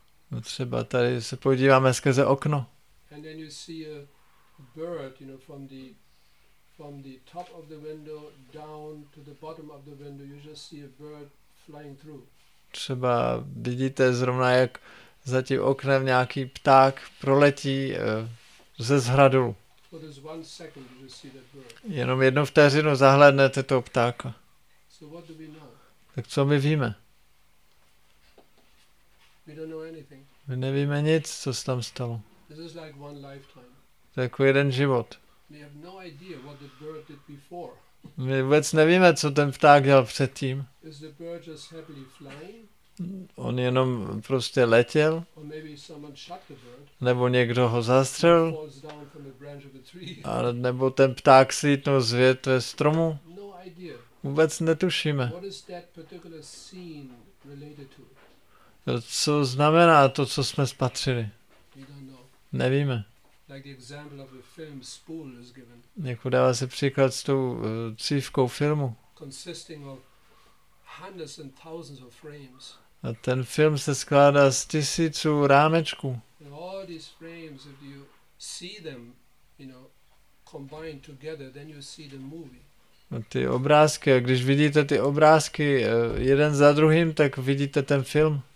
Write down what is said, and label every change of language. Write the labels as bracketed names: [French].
[Czech] No třeba tady se podíváme skrze okno. [English] And then you see a bird, you know, from the top of the window down to the bottom of the window, you just see a bird flying through. [Czech] Třeba vidíte zrovna, jak za tím oknem nějaký pták proletí ze zhradu. [English] For this one second you just see that bird. [Czech] Jenom jednu vteřinu zahlédnete toho ptáka. [English] So what do we know? [Czech] Tak co my víme? [English] We don't know anything. [Czech] My nevíme nic, co se tam stalo. [English] This is like one lifetime. [Czech] To je jako jeden život. [English] We have no idea what the bird did before. [Czech] My vůbec nevíme, co ten pták dělal předtím. [English] Is the bird just happily flying? [Czech] On jenom prostě letěl. [English] Or maybe someone shot the bird. [Czech] Nebo někdo ho zastřel. [English] He falls down from the branch of a tree. [Czech] A nebo ten pták slítnul z větve stromu. [English] No idea. [Czech] Vůbec netušíme. [English] What is that particular scene related to? [Czech] Co znamená to, co jsme spatřili? Nevíme. [English] Like the example of a film spool is given. [Czech] Jako dává se příklad s tou cívkou filmu. [English] Consisting of hundreds and thousands of frames. [Czech] A ten film se skládá z tisíců rámečků. [English] And all these frames, if you see them, you know, combined together, then you see the movie. [Czech] A ty obrázky, a když vidíte ty obrázky jeden za druhým, tak vidíte ten film.